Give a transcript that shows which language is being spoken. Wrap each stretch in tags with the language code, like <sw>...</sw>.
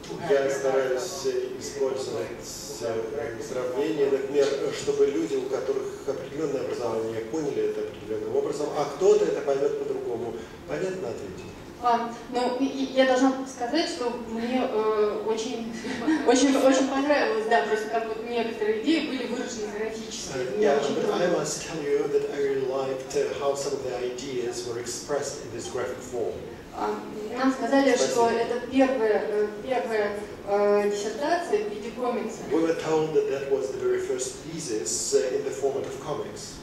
<ru>Я стараюсь использовать сравнение, например, чтобы люди, у которых определенное образование, поняли это определенным образом, а кто-то это поймет по-другому. Понятно ответить? Я должна сказать, что мне очень понравилось, да, просто как вот некоторые идеи были выражены графически.</ru> <en>I must tell you that I really liked how some of the ideas were expressed in this graphic form.</en> <ru>Нам сказали, что это первая диссертация в виде комикса.</ru> <en>We were told that that was the very first thesis in the format of comics.</en>